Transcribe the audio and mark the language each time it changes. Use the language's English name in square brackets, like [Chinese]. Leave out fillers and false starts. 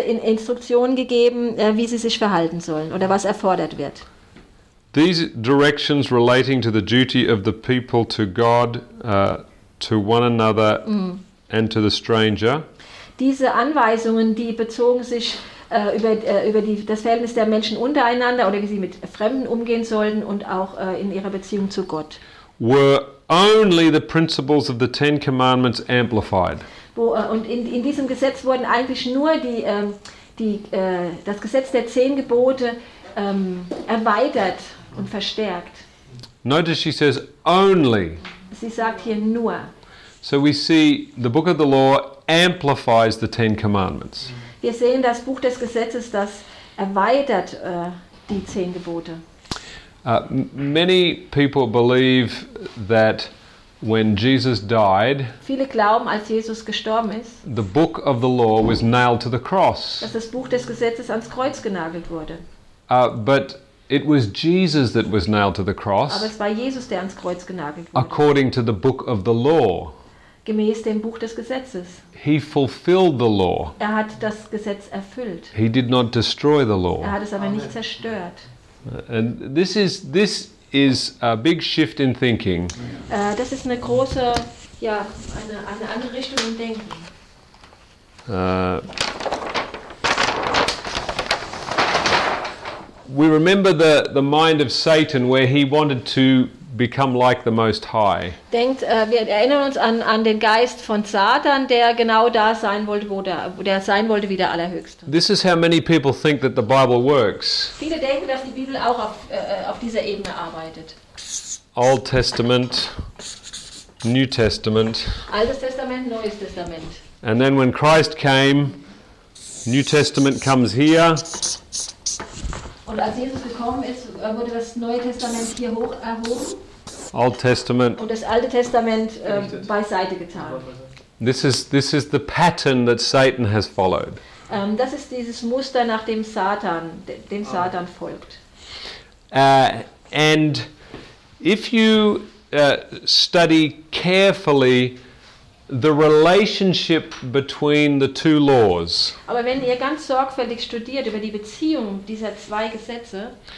[German] Instruktionen gegeben, wie sie sich verhalten sollen oder was erfordert wird. [English] These directions relating to the duty of the people to God, to one another and to the stranger. [German] Diese Anweisungen, die bezogen sich über das Verhältnis der Menschen untereinander oder wie sie mit Fremden umgehen sollten und auch in ihrer Beziehung zu Gott. [English] Were only the principles of the Ten Commandments amplified. [German] Und in diesem Gesetz wurden eigentlich nur das Gesetz der Zehn Gebote erweitert und verstärkt. [English] Notice she says only. [German] Sie sagt hier nur. [English] So we see the Book of the Law amplifies the Ten Commandments. [German] Wir sehen das Buch des Gesetzes, das erweitert die Zehn Gebote. [English] Many people believe that when Jesus died, [German] viele glauben, als Jesus gestorben ist, [English] the book of the law was nailed to the cross. [German] Dass das Buch des Gesetzes ans Kreuz genagelt wurde. [English] But it was Jesus that was nailed to the cross. [German] Aber es war Jesus, der ans Kreuz genagelt wurde. [English] According to the book of the law. [German] Gemäß dem Buch des Gesetzes. [English] He fulfilled the law. [German] Er hat das Gesetz erfüllt. [English] He did not destroy the law. [German] Er hat es aber nicht zerstört. [English] And this is a big shift in thinking. [German] Das ist eine große, ja, eine andere Richtung im Denken. [English] We remember the mind of Satan, where he wanted to become like the Most High. [German] Denkt, wir erinnern uns an den Geist von Satan, der genau da sein wollte, wo der sein wollte wie der Allerhöchste. [English] This is how many people think that the Bible works. [German] Viele denken, dass die Bibel auch auf dieser Ebene arbeitet. [English] Old Testament, New Testament. [German] Altes Testament, Neues Testament. [English] And then when Christ came, New Testament comes here. [German] Und als Jesus gekommen ist, wurde das Neue Testament hier hoch erhoben. [English] Old Testament. [German] Und das Alte Testament beiseite getan. [English] This is the pattern that Satan has followed. [German] Das ist dieses Muster, nach dem Satan folgt. [English] And if you study carefully the relationship between the two laws. [German] Aber wenn ihr ganz sorgfältig studiert über die Beziehung dieser zwei Gesetze,